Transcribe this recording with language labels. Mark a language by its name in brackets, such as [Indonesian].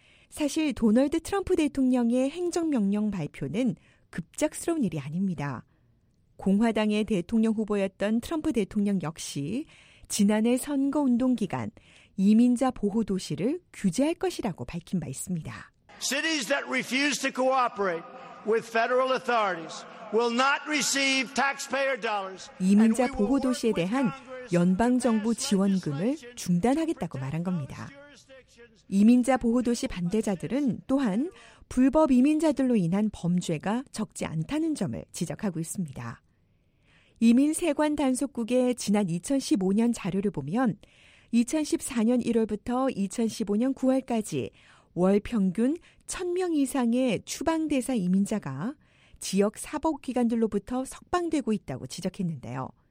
[Korean] 사실 도널드 트럼프 대통령의 행정명령 발표는 급작스러운 일이 아닙니다. 공화당의 대통령 후보였던 트럼프 대통령 역시 지난해 선거운동 기간 이민자 보호도시를 규제할 것이라고 밝힌 바 있습니다. [English] Cities that refuse to cooperate with federal authorities will not receive taxpayer dollars. [Korean] 이민자 보호도시에 대한 연방정부 지원금을 중단하겠다고 말한 겁니다. 이민자 보호도시 반대자들은 또한 불법 이민자들로 인한 범죄가 적지 않다는 점을 지적하고 있습니다. 이민세관단속국의 지난 2015년 자료를 보면 2014년 1월부터 2015년 9월까지 월 평균 1,000명 이상의 추방대사 이민자가 지역 사법기관들로부터 석방되고 있다고 지적했는데요.